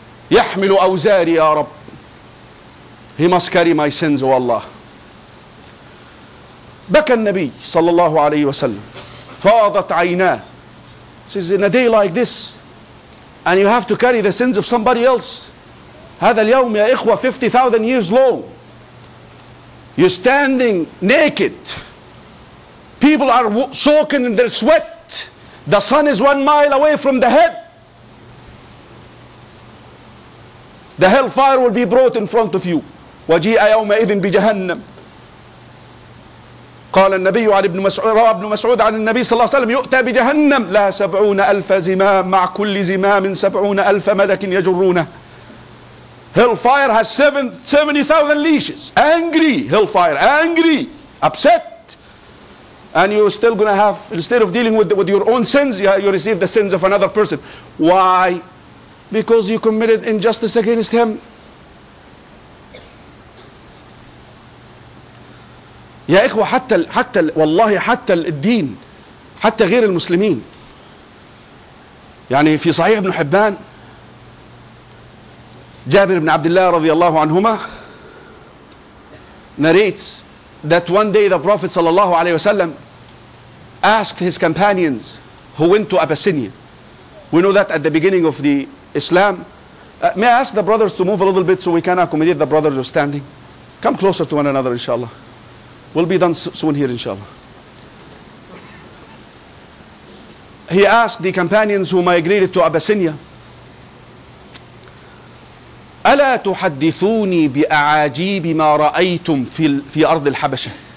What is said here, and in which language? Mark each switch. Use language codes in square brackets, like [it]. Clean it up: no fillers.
[ar] يحمل أوزاري يا رب. [en] He must carry my sins, O Allah. [ar] بكى النبي صلى الله عليه وسلم. فاضت عيناه. [en] Says, in a day like this, and you have to carry the sins of somebody else. [ar] هذا اليوم يا إخوة 50,000 [en] years long. You're standing naked. People are soaking in their sweat. The sun is 1 mile away from the head. The hellfire will be brought in front of you. [ar] وجيء يومئذ بجهنم. قال النبي على ابن مسعود, روى ابن مسعود عن النبي صلى الله عليه وسلم, يؤتى بجهنم لها 70,000 زمام, مع كل زمام 70,000 ملك يجرونه. [en] Hellfire has 70,000 leashes. Angry hellfire, angry, upset. And you're still going to have, instead of dealing with your own sins, you receive the sins of another person. Why? Because you committed injustice against him. [ar] يا إخوة, حتى والله حتى الدين, حتى غير المسلمين. يعني في صحيح ابن حبان, جابر بن عبد الله رضي الله عنهما [en] narrates that one day the Prophet صلى الله عليه وسلم asked his companions who went to Abyssinia. We know that at the beginning of the Islam, may I ask the brothers to move a little bit so we can accommodate the brothers who are standing? Come closer to one another, inshallah. We'll be done soon here, inshallah. He asked the companions who migrated to Abyssinia, [ar] ألا تحدثوني بأعاجيب ما رأيتم في أرض الحبشة.